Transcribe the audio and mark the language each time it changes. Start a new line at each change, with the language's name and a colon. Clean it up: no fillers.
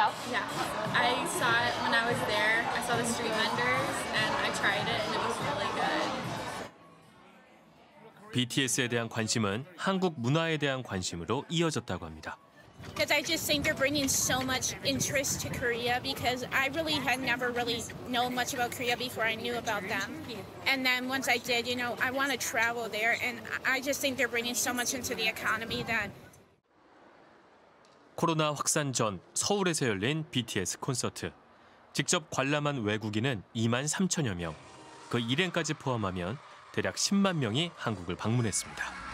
English: Yeah. I saw it when I was there. I saw the street vendors and I tried it and it was really good.
Korean: BTS에 대한 관심은 한국 문화에 대한 관심으로 이어졌다고 합니다.
English: Because I just think they're bringing so much interest to Korea because I really had never really known much about Korea before I knew about them. And then once I did, you know, I want to travel there and I just think they're bringing so much into the economy that
Korean: 코로나 확산 전 서울에서 열린 BTS 콘서트. 직접 관람한 외국인은 2만 3천여 명. 그 일행까지 포함하면 대략 10만 명이 한국을 방문했습니다.